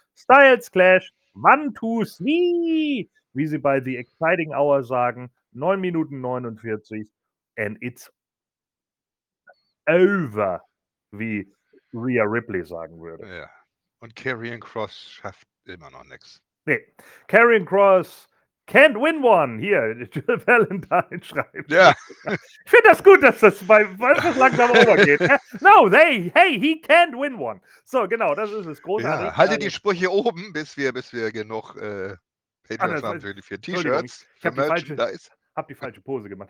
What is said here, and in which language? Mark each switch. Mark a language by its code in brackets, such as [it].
[de] Styles Clash, 1, 2, 3, wie sie bei The Exciting Hour sagen, 9 Minuten 49 [en] and it's over, [de] wie Rhea Ripley sagen würde. Ja. Und Karrion Kross schafft immer noch nichts. Nee. [en] Karrion Kross can't win one. [de] Hier, Jill Valentine schreibt. Ja. Ich finde das gut, dass das bei das langsam übergeht. [en] No, he can't win one. [de] So, genau, das ist es. Großartig. Ja, haltet die Sprüche oben, bis wir genug Patreons haben für die 4 T-Shirts. Ich habe die falsche Pose gemacht.